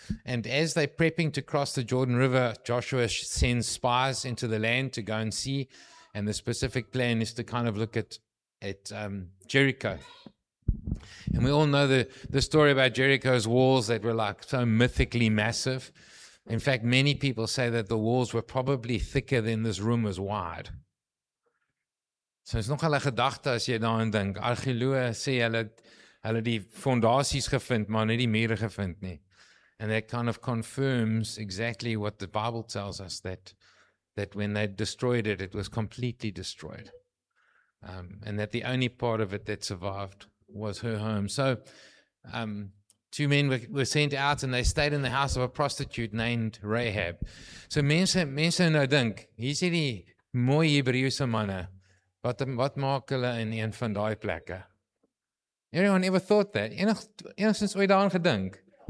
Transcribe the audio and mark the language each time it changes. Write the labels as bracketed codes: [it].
[en] And as they're prepping to cross the Jordan River, Joshua sends spies into the land to go and see, and the specific plan is to kind of look at Jericho. And we all know the story about Jericho's walls that were like so mythically massive. In fact, many people say that the walls were probably thicker than this room was wide. So it's [af] nogal 'n gedagte as jy daaraan dink. Argeoloë sê hulle die fondasies gevind, maar nie die mure gevind nie. [en] And that kind of confirms exactly what the Bible tells us, that when they destroyed it, it was completely destroyed. And that the only part of it that survived was her home. So two men were sent out, and they stayed in the house of a prostitute named Rahab. [af] So mense nou dink, hier's hierdie mooi Hebreëse manne. Wat maak hulle in een van daai plekke? [en] Anyone ever thought that? [af] Enigstens ooit daaraan gedink?